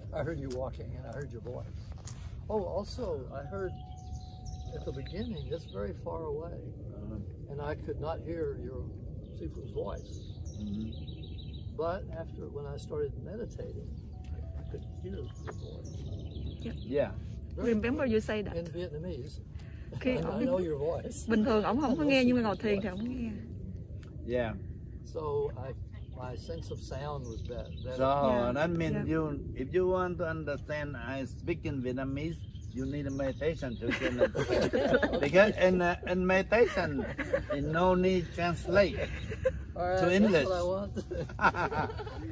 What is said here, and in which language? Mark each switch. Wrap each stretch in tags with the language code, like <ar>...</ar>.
<en>I heard you walking and I heard your voice. Oh, also, I heard at the beginning, just very far away, and I could not hear your secret voice. Mm-hmm. But when I started meditating, I could hear the voice. Yeah. Right. Remember you say that in Vietnamese. Okay. I know your voice.</en> <vi>Bình thường ông không có nghe nhưng mà ngồi thiền thì ông nghe.</vi> <en>Yeah. So my sense of sound was better. So that means you, if you want to understand, I speak in Vietnamese. You need a meditation to get it. Because in meditation, there's no need to translate to English. That's what I want.</en>